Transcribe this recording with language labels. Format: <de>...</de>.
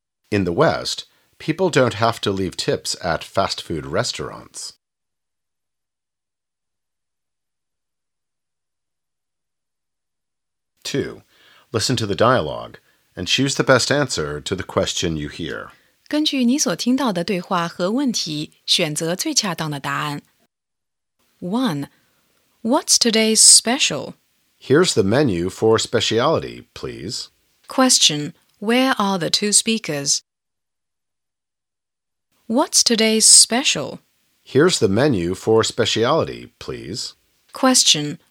<en>In the West, people don't have to leave tips at fast food restaurants. 2. Listen to the dialogue and choose the best answer to the question you hear.</en> <zh>根据你所听到的对话和问题，选择最恰当的答案。</zh> <en>1. What's today's special? Here's the menu for speciality, please. Question. Where are the two speakers? What's today's special? Here's the menu for speciality, please. Question.</en>